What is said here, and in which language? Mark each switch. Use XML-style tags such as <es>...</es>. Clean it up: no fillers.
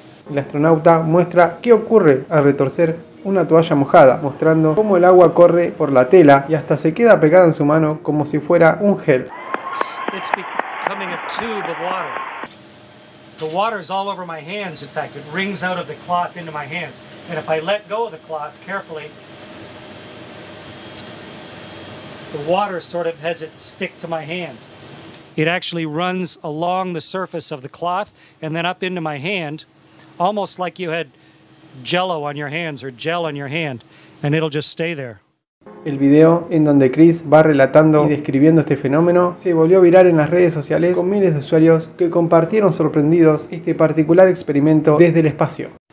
<es>El astronauta muestra qué ocurre al retorcer una toalla mojada, mostrando cómo el agua corre por la tela y hasta se queda pegada en su mano como si fuera un gel.</es> <en>It's becoming a tube of water. The water is all over my hands, in fact, it rings out of the cloth into my hands. And if I let go of the cloth carefully, the water sort of has it stick to my hand. It actually runs along the surface of the cloth and then up into my hand, almost like you had jello on your hands or gel on your hand, and it'll just stay there.</en> <es>El video en donde Chris va relatando y describiendo este fenómeno se volvió viral en las redes sociales con miles de usuarios que compartieron sorprendidos este particular experimento desde el espacio.</es>